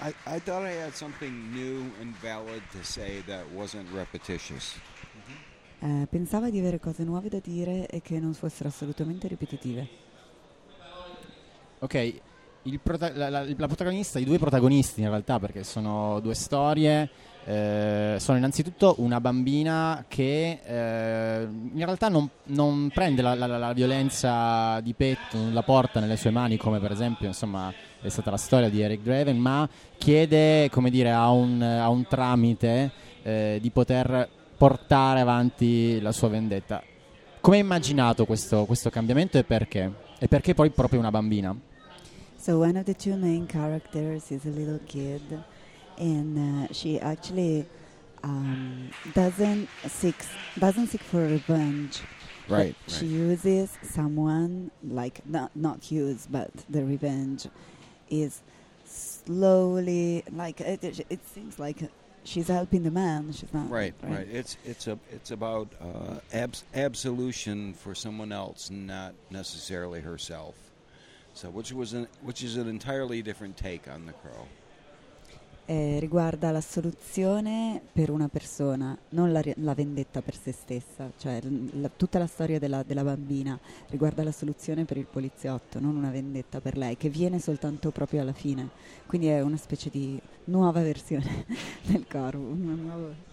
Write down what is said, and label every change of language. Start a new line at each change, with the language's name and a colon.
English: I thought I had something new and valid to say that wasn't repetitious.
Italian: Pensavo di avere cose nuove da dire e che non fossero assolutamente ripetitive. Ok, la protagonista, i due protagonisti in realtà, perché sono due storie, sono innanzitutto una bambina che in realtà non prende la violenza di petto, non la porta nelle sue mani come per esempio insomma è stata la storia di Eric Draven, ma chiede, come dire, a un tramite di poter portare avanti la sua vendetta. Come hai immaginato questo cambiamento e perché? E perché poi proprio una bambina?
English: So one of the two main characters is a little kid, and she actually doesn't seek for revenge. Right. She uses someone, like not use, but the revenge is slowly, like it seems like she's helping the man. She's not. Right. It's about absolution for someone else, not necessarily herself. So which is an entirely different take on The Crow.
Italian: Riguarda l'assoluzione per una persona, non la vendetta per se stessa, cioè tutta la storia della bambina riguarda l'assoluzione per il poliziotto, non una vendetta per lei che viene soltanto proprio alla fine. Quindi è una specie di nuova versione del corvo, una nuova.